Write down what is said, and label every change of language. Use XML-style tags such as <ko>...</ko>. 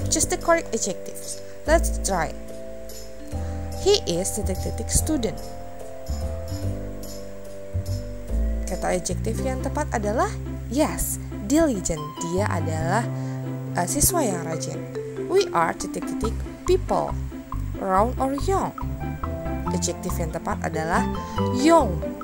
<en>Just the correct adjectives. Let's try. He is</en> <id>titik-titik</id> <en>student.</en> <id>Kata adjective yang tepat adalah</id> <en>yes, diligent.</en> <id>Dia adalah siswa yang rajin.</id> <en>We are</en> <id>titik-titik</id> <en>people, round or young.</en> <id>Adjective yang tepat adalah young.</id>